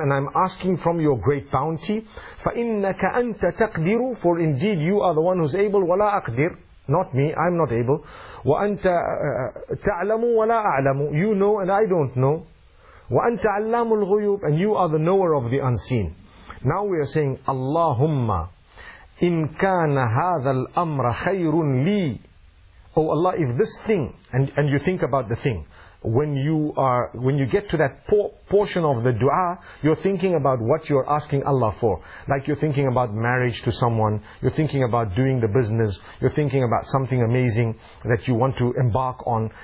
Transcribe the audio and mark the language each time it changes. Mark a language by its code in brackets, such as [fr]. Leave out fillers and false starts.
[en] And I'm asking from your great bounty. [ar] فَإِنَّكَ أَنْتَ تَقْدِرُ. [en] For indeed you are the one who's able. [ar] وَلَا أَقْدِرُ. [en] Not me, I'm not able. [ar] وَأَنْتَ تَعْلَمُ وَلَا أَعْلَمُ. [en] You know and I don't know. [ar] وَأَنْتَ عَلَّامُ الْغُيُوبِ. [en] And you are the knower of the unseen. Now we are saying, [ar] Allahumma, إِنْ كَانَ هَذَا الْأَمْرَ خَيْرٌ لِي. [en] Oh Allah, if this thing, and you think about the thing, when you get to that portion of the dua, you're thinking about what you're asking Allah for. Like you're thinking about marriage to someone, you're thinking about doing the business, you're thinking about something amazing that you want to embark on.